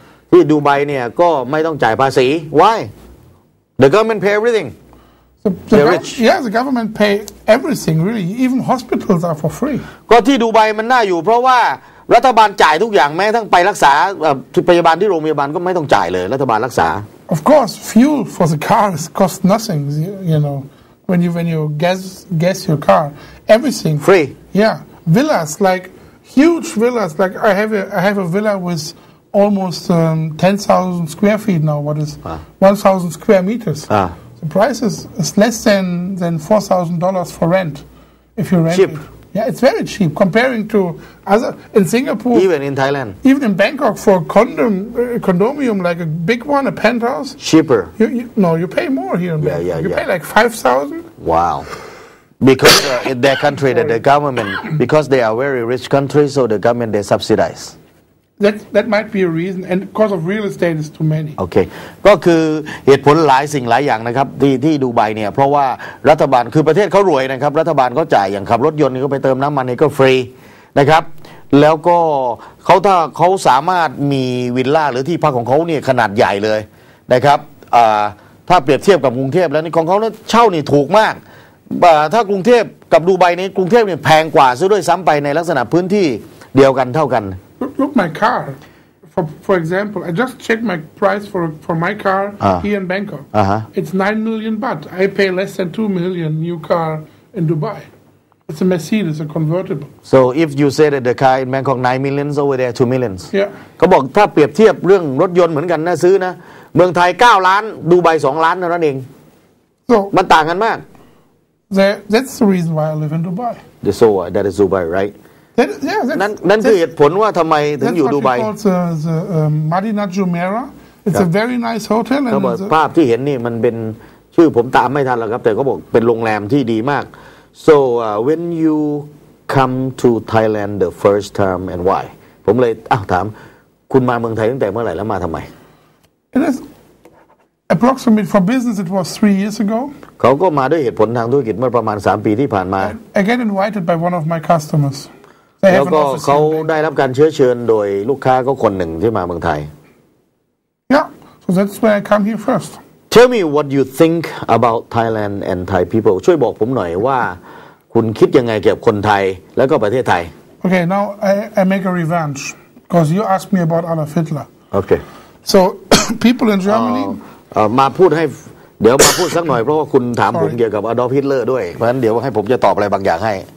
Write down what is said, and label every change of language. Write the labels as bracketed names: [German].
[Thai] ที่ดูไบเนี่ยก็ไม่ต้องจ่ายภาษี [English] Why? The government pay everything. The government pay everything really. Even hospitals are for free. [Thai] ก็ที่ดูไบมันน่าอยู่เพราะว่ารัฐบาลจ่ายทุกอย่างแม้ทั้งไปรักษาพยาบาลที่โรงพยาบาลก็ไม่ต้องจ่ายเลยรัฐบาลรักษา [English] Of course, fuel for the cars costs nothing. You know, when you gas your car, everything free. Yeah, villas like huge villas. Like I have a villa with almost 10,000 square feet now. What is 1,000 square meters? The price is less than $4,000 for rent. If you rent cheap. It. Yeah, it's very cheap comparing to other in Singapore. Even in Thailand. Even in Bangkok for a condominium like a big one, a penthouse. Cheaper. You pay more here in Bangkok. Yeah. You pay like $5,000. Wow. Because in their country, that the government, because they are very rich country, so the government they subsidize. That might be a reason, and cost of real estate is too many. [Thai] Okay, ก็คือเหตุผลหลายสิ่งหลายอย่างนะครับที่ดูไบเนี่ยเพราะว่ารัฐบาลคือประเทศเขารวยนะครับรัฐบาลเขาจ่ายอย่างขับรถยนต์เขาไปเติมน้ำมันนี่ก็ฟรีนะครับแล้วก็เขาถ้าเขาสามารถมีวิลล่าหรือที่พักของเขาเนี่ยขนาดใหญ่เลยนะครับถ้าเปรียบเทียบกับกรุงเทพแล้วนี่ของเขาเนี่ยเช่านี่ถูกมากถ้ากรุงเทพกับดูไบนี่กรุงเทพเนี่ยแพงกว่าซะด้วยซ้ำไปในลักษณะพื้นที่เดียวกันเท่ากัน [English] Look my car, for example, I just checked my price for my car here in Bangkok. It's 9 million baht. I pay less than 2 million new car in Dubai. It's a Mercedes, a convertible. So if you say that the car in Bangkok 9 million, over there 2 million. Yeah. [Thai] เขาบอกถ้าเปรียบเทียบเรื่องรถยนต์เหมือนกันนะซื้อนะเมืองไทย9ล้านดูไบ2ล้านนั่นเองมันต่างกันมาก [English] That's the reason why I live in Dubai. So that is Dubai, right? That's [Thai] คือเหตุผลว่าทำไมถึงอยู่ดูไบ [English] That's what we call the Madina Jumeirah. It's a very nice hotel. [Thai] เขาบอกภาพที่เห็นนี่มันเป็นชื่อผมตามไม่ทันแล้วครับแต่เขาบอกเป็นโรงแรมที่ดีมาก [English] So when you come to Thailand the first time and why? [Thai] ผมเลยถามคุณมาเมืองไทยตั้งแต่เมื่อไหร่แล้วมาทำไม [English] It is approximately for business. It was 3 years ago. [Thai] เขาก็มาด้วยเหตุผลทางธุรกิจเมื่อประมาณ3ปีที่ผ่านมา [English] I get invited by one of my customers. [Thai] แล้วก็เขาได้รับการเชื้อเชิญโดยลูกค้าก็คนหนึ่งที่มาเมืองไทย [English] Yeah, so that's where I come here first. Tell me what you think about Thailand and Thai people. [Thai] ช่วยบอกผมหน่อยว่าคุณคิดยังไงเกี่ยวกับคนไทยแล้วก็ประเทศไทย [English] Okay, now I make a revenge because you asked me about Adolf Hitler. Okay. So people in Germany. [Thai] มาพูดให้เดี๋ยวมาพูดสักหน่อยเพราะว่าคุณถามผมเกี่ยวกับ Adolf Hitler ด้วยเพราะฉะนั้นเดี๋ยวให้ผมจะตอบอะไรบางอย่างให้